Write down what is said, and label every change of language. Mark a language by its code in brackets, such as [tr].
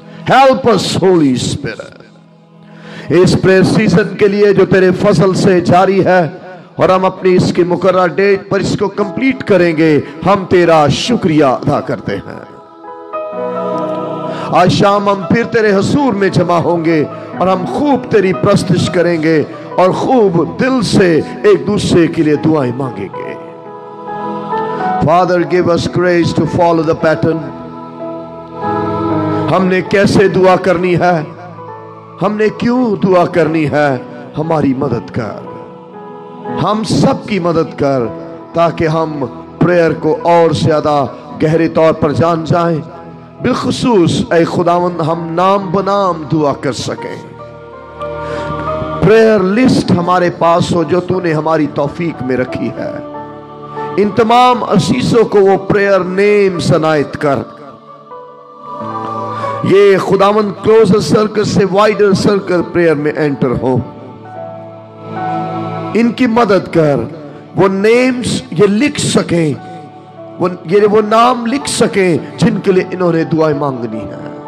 [en] help us holy spirit [ur] اس prayer season کے لیے جو تیرے فضل سے جاری ہے, اور ہم اپنی اس کی مقررہ ڈیٹ پر اس کو کمپلیٹ کریں گے. ہم تیرا شکریہ ادا کرتے ہیں. آج شام ہم پھر تیرے حضور میں جمع ہوں گے اور ہم خوب تیری پرستش کریں گے اور خوب دل سے ایک دوسرے کے لیے دعائیں مانگیں گے. [en] Father give us grace to follow the pattern. [ur] ہم نے کیسے دعا کرنی ہے, ہم نے کیوں دعا کرنی ہے, ہماری مدد کر, ہم سب کی مدد کر تاکہ ہم پریئر کو اور زیادہ گہرے طور پر جان جائیں. بالخصوص اے خداوند ہم نام بنام دعا کر سکیں. پریئر لسٹ ہمارے پاس ہو جو تو نے ہماری توفیق میں رکھی ہے. ان تمام عزیزوں کو وہ پریئر نیم عنایت کر. یہ خداوند کلوزر سرکل سے وائڈر سرکل پریئر میں انٹر ہو, ان کی مدد کر. وہ نیمز یہ لکھ سکیں, وہ نام لکھ سکیں جن کے لیے انہوں نے دعائیں مانگنی ہے.